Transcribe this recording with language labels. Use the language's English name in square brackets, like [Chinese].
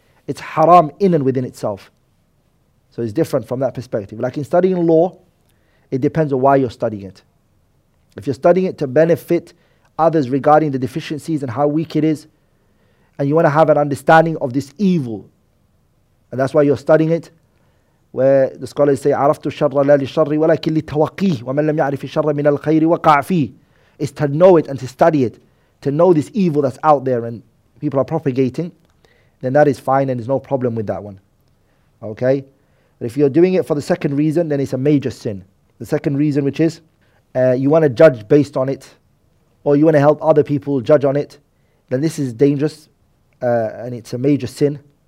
[English] It's haram in and within itself. So it's different from that perspective. Like in studying law, it depends on why you're studying it. If you're studying it to benefit others regarding the deficiencies and how weak it is, and you want to have an understanding of this evil And that's why you're studying it, where the scholars say, [Arabic] عَرَفْتُ الشَّرَّ لَا لِشَّرِّ وَلَكِنْ لِتَوَقِّيهِ وَمَنْ لَمْ يَعْرِفِ الشَّرَّ مِنَ الْخَيْرِ وَقَعْ فِيهِ. [English] It's to know it and to study it, to know this evil that's out there and people are propagating, then that is fine and there's no problem with that one. Okay? But if you're doing it for the second reason, then it's a major sin. The second reason, which is, you want to judge based on it, or you want to help other people judge on it, then this is dangerous, and it's a major sin.